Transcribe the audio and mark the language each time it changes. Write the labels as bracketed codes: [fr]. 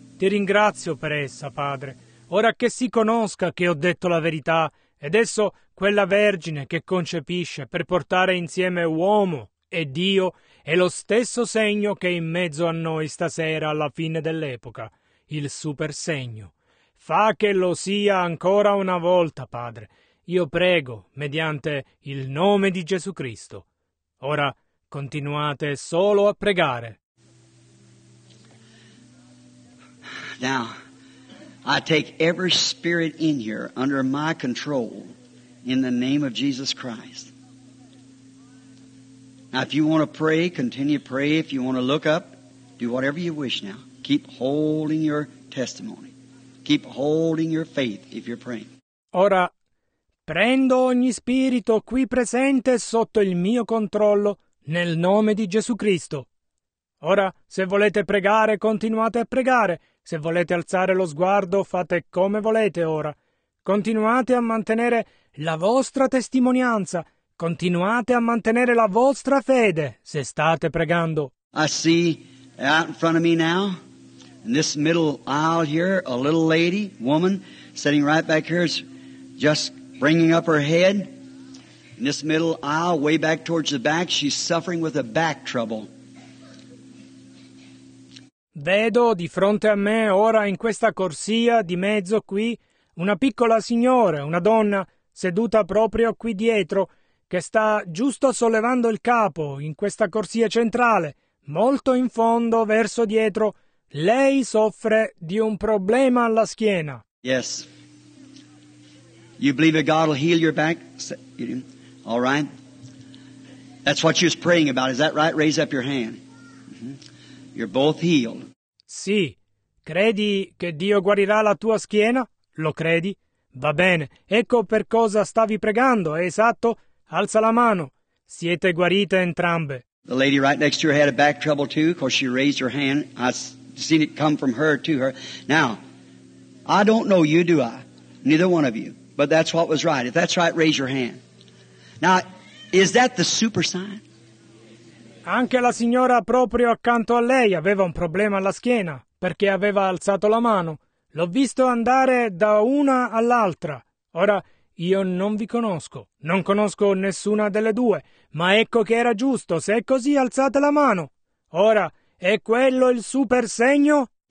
[it] Ti ringrazio per essa, Padre. Ora che si conosca che ho detto la verità, e adesso quella vergine che concepisce per portare insieme uomo e Dio è lo stesso segno che è in mezzo a noi stasera alla fine dell'epoca, il super segno. Fa che lo sia ancora una volta, Padre. Io prego, mediante il nome di Gesù Cristo. Ora continuate solo a pregare. [en] Now, I take every spirit in here under my control in the name of Jesus Christ. Now, if you want to pray, continue to pray. If you want to look up, do whatever you wish now. Keep holding your testimony. Keep holding your faith if you're praying. [it] Ora, prendo ogni spirito qui presente sotto il mio controllo nel nome di Gesù Cristo. Ora, se volete pregare, continuate a pregare. Se volete alzare lo sguardo, fate come volete ora. Continuate a mantenere la vostra testimonianza. Continuate a mantenere la vostra fede se state pregando. [en] I see out in front of me now, in this middle aisle here, a little lady, woman, sitting right back here, is just bringing up her head. In this middle aisle, way back towards the back, she's suffering with a back trouble. [it] Vedo di fronte a me ora in questa corsia di mezzo qui una piccola signora, una donna seduta proprio qui dietro che sta giusto sollevando il capo in questa corsia centrale, molto in fondo verso dietro. Lei soffre di un problema alla schiena. [en] Yes. You believe that God will heal your back? All right. That's what she was praying about. Is that right? Raise up your hand. You're both healed. [it] Sì. Credi che Dio guarirà la tua schiena? Lo credi? Va bene. Ecco per cosa stavi pregando. È esatto. Alza la mano. Siete guarite entrambe. [en] The lady right next to her had a back trouble too, because she raised her hand. I seen it come from her to her. Now, I don't know you, do I? Neither one of you. But that's what was right. If that's right, raise your hand. Now, is that the super sign? [it] Anche la signora proprio accanto a lei aveva un problema alla schiena perché aveva alzato la mano. L'ho visto andare da una all'altra. Ora, io non vi conosco. Non conosco nessuna delle due. Ma ecco che era giusto. Se è così, alzate la mano. Ora, è quello il super segno?